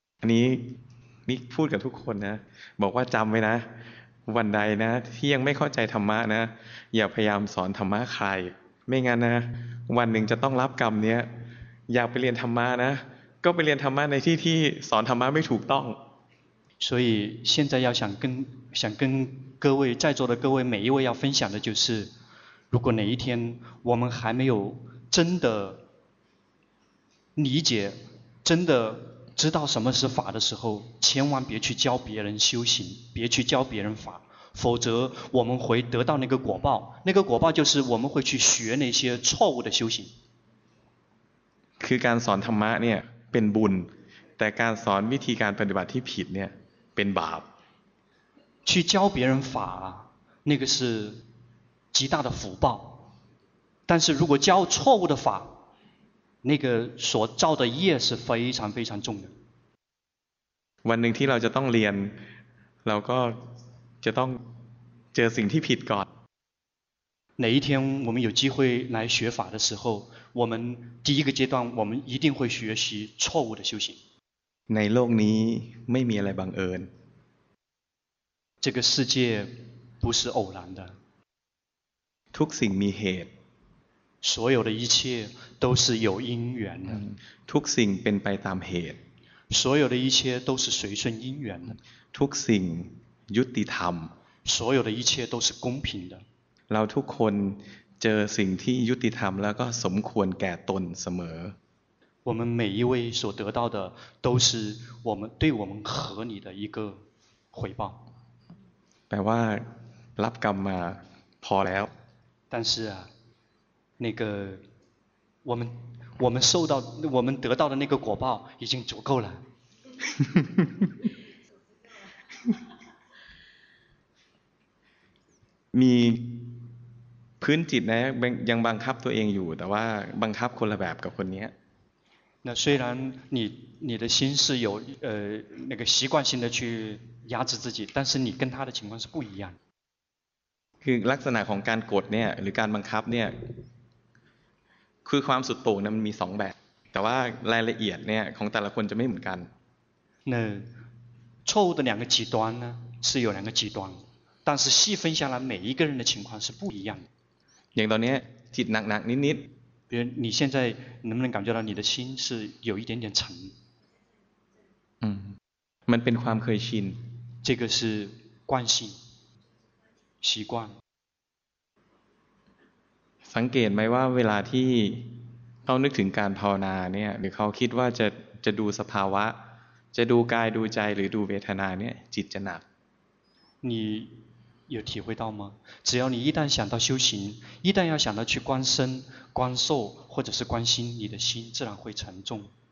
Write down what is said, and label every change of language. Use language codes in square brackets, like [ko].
[th] 你พูดกับทุกคนนะบอกว่าจำไว้นะวันใดนะที่ยังไม่เข้าใจธรรมะนะอย่าพยายามสอนธรรมะใครไม่งั้นนะวันหนึ่งจะต้องรับกรรมเนี้ยอยากไปเรียนธรรมะนะก็ไปเรียนธรรมะในที่ที่สอนธรรมะไม่ถูกต้อง [zh] 所以现在要想跟各位在座的各位每一位要分享的就是如果哪一天我们还没有真的理解真的知道什么是法的时候千万别去教别人修行别去教别人法否则我们会得到那个果报就是我们会去学那些错误的修行 [th] คือการสอนธรรมะเนี่ยเป็นบุญแต่การสอนวิธีการปฏิบัติที่ผิดเนี่ยเป็นบาป [zh] 去教别人法那个是极大的福报但是如果教错误的法那个所造的业是非常非常重的 [th] วันหนึ่งที่เราจะต้องเรียนเราก็จะต้องเจอสิ่งที่ผิดก่อน [zh] 哪一天我们有机会来学法的时候我们第一个阶段我们一定会学习错误的修行 [th] ในโลกนี้ไม่มีอะไรบังเอิญ [zh] 这个世界不是偶然的 [th] ทุกสิ่งมีเหตุ [zh] 所有的一切都是有因缘的 [th] ทุกสิ่งเป็นไปตามเหตุ [zh] 所有的一切都是随顺因缘的 [th] ทุกสิ่งยุติธรรม [zh] 所有的一切都是公平的 [th] เราทุกคนเจอสิ่งที่ยุติธรรมแล้วก็สมควรแก่ตนเสม [zh] อ我们每一位所得到的都是我们对我们合理的一个回报 [th] แปลว่ารับกรรมมาพอแล้ว [zh] 但是啊那个我们受到我们得到的那个果报已经足够了 [th] มีพื้นจิตนะยังบังคับตัวเองอยู่แต่ว่าบังคับคนละแบบกับคนนี้ [zh] 那虽然你的心是有那个习惯性的去压制自己但是你跟他的情况是不一样 [th] คือลักษณะของการกดเนี่ยหรือการบังคับเนี่ยคือความสุดโต่งนะมันมีสองแบบแต่ว่ารายละเอียดเนี่ยของแต่ละคนจะไม่เหมือนกัน [zh] 那错误的两个极端呢是有两个极端但是细分下来每一个人的情况是不一样的像到呢， [th] จิตหนักหนักนิดนิด。 [zh] 比如你现在能不能感觉到你的心是有一点点沉？ [th] 嗯，มันเป็นความเคยชิน。 [zh] 这个是惯性，习惯。 [th] สังเกตไหมว่าเวลาที่เขานึกถึงการภาวนาเนี่ยหรือเขาคิดว่าจะดูสภาวะจะดูกายดูใจหรือดูเวทนาเนี่ยจิตจะหนัก [zh] 你有体会到吗只要你一旦想到修行一旦要想到去观身观受或者是观心你的心自然会沉重